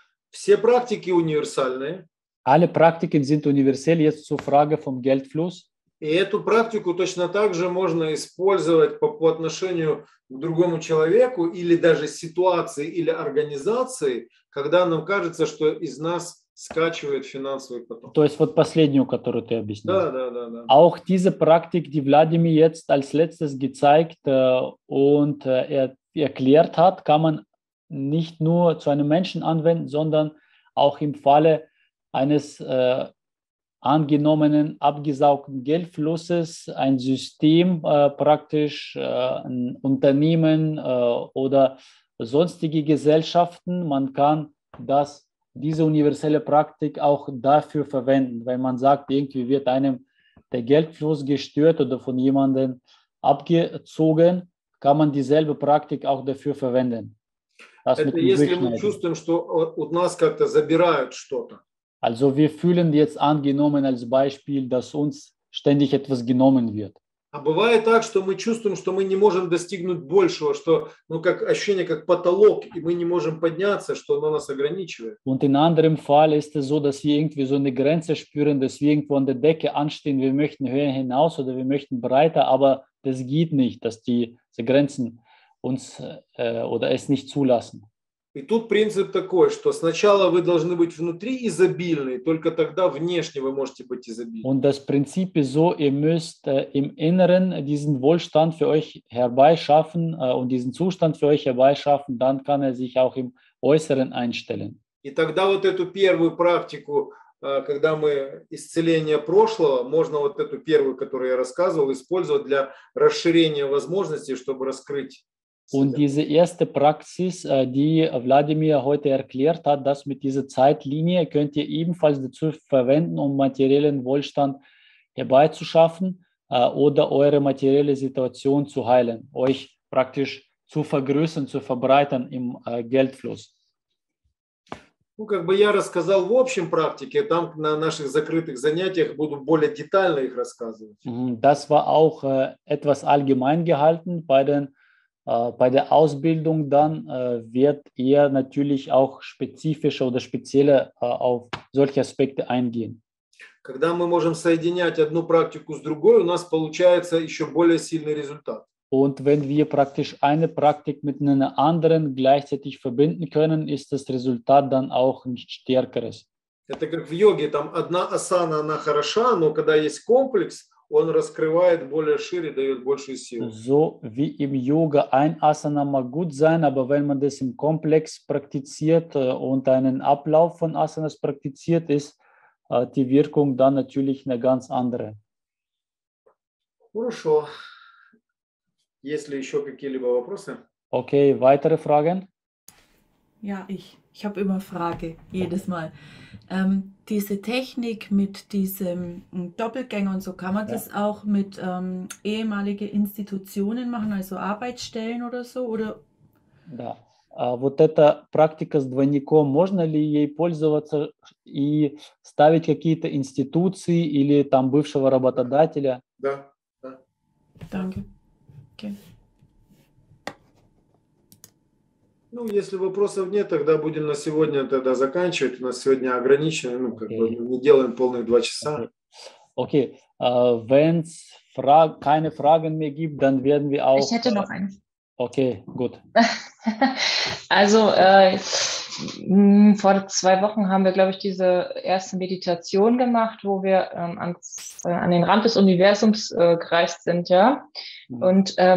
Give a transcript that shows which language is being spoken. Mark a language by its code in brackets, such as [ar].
[ru] Все практики универсальные. [de] Alle Praktiken sind universell, jetzt zur Frage vom Geldfluss. [ru] И эту практику точно так же можно использовать по отношению к другому человеку или даже ситуации или организации, когда нам кажется, что из нас скачивает финансовый поток. То есть вот последнюю, которую ты объяснил. Да, да, да, да. [de] Auch diese Praktik, die Wladimir jetzt als letztes gezeigt und erklärt hat, kann man nicht nur zu einem Menschen anwenden, sondern auch im Falle eines angenommenen abgesaugten Geldflusses, ein System praktisch, ein Unternehmen oder sonstige Gesellschaften, man kann das, diese universelle Praktik auch dafür verwenden, wenn man sagt, irgendwie wird einem der Geldfluss gestört oder von jemandem abgezogen, kann man dieselbe Praktik auch dafür verwenden. Das mit dem Durchschneiden. Also wir fühlen jetzt angenommen als Beispiel, dass uns ständig etwas genommen wird. [ru] А бывает так, что мы чувствуем, что мы не можем достигнуть большего, что, ну, как ощущение, как потолок, и мы не можем подняться, что оно нас ограничивает. [de] Und in anderem Fall ist es so, dass wir irgendwie so eine Grenze spüren, dass wir irgendwo an der Decke anstehen, wir möchten höher hinaus oder wir möchten breiter, aber das geht nicht, dass die Grenzen uns oder es nicht zulassen. [ru] И тут принцип такой, что сначала вы должны быть внутри изобильны, только тогда внешне вы можете быть изобильны. [de] Und das Prinzip ist so, ihr müsst im Inneren diesen Wohlstand für euch herbeischaffen und diesen Zustand für euch herbeischaffen, dann kann er sich auch im Äußeren einstellen. [ru] И тогда вот эту первую практику, когда мы исцеление прошлого, можно вот эту первую, которую я рассказывал, использовать для расширения возможностей, чтобы раскрыть. [de] Und diese erste Praxis, die Wladimir heute erklärt hat, das mit dieser Zeitlinie, könnt ihr ebenfalls dazu verwenden, um materiellen Wohlstand herbeizuschaffen oder eure materielle Situation zu heilen, euch praktisch zu vergrößern, zu verbreitern im Geldfluss. [ru] Ну, как бы я рассказал в общем практике, там на наших закрытых занятиях буду более детально их рассказывать. [de] Das war auch etwas allgemein gehalten bei den bei der Ausbildung dann wird er natürlich auch spezifischer oder spezieller auf solche Aspekte eingehen. [ru] Когда мы можем соединять одну практику с другой, у нас получается еще более сильный результат. [de] Und wenn wir praktisch eine Praktik mit einer anderen gleichzeitig verbinden können, ist das Resultat dann auch ein stärkeres. [ru] Это как в йоге, там одна асана, она хороша, но когда есть комплекс, он раскрывает более шире, дает большую силу. [de] So wie im Yoga ein Asana mag gut sein, aber wenn man das im Komplex praktiziert und einen Ablauf von Asanas praktiziert, ist die Wirkung dann natürlich eine ganz andere. [ru] Хорошо. Есть ли еще какие-либо вопросы? [de] Okay, weitere Fragen? Ja, ich habe immer Frage, jedes Mal. Diese Technik mit diesem Doppelgänger und so, kann man das auch mit ehemaligen Institutionen machen, also Arbeitsstellen oder so? Oder? [ru] Да, вот эта практика с двойником, можно ли ей пользоваться и ставить какие-то институции или там бывшего работодателя? Да, да. [de] Danke. Okay. [ru] Ну, если вопросов нет, тогда будем на сегодня тогда заканчивать. У нас сегодня ограничено, ну, как бы, не делаем полных два часа. Окей. [de] Wenn es keine Fragen mehr gibt, dann werden wir auch... Ich hätte noch eine. Okay, gut. Also, vor zwei Wochen haben wir, glaube ich, diese erste Meditation gemacht, wo wir an den Rand des Universums gereist sind, ja. Und...